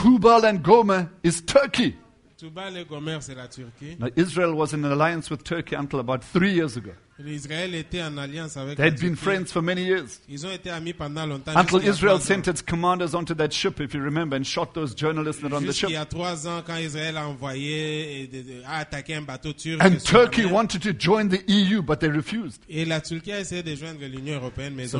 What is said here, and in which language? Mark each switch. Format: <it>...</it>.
<en>Tubal and Gomer is Turkey.</en> <fr>Tubal et Gomer, c'est la Turquie.</fr> <en>Now, Israel was in an alliance with Turkey until about 3 years ago.</en> <fr>Israël était en alliance avec.</fr> <en>They had been friends for many years.</en> <fr>Ils ont été amis pendant longtemps.</fr> <en>Until Israel sent its commanders onto that ship, if you remember, and shot those journalists that were on the ship.</en> <fr>Il y a 3 ans, quand Israël a envoyé a attaqué un bateau turc.</fr> <en>And Turkey wanted to join the EU, but they refused.</en> <fr>Et la Turquie a essayé de joindre l'Union européenne, mais ils ont</fr>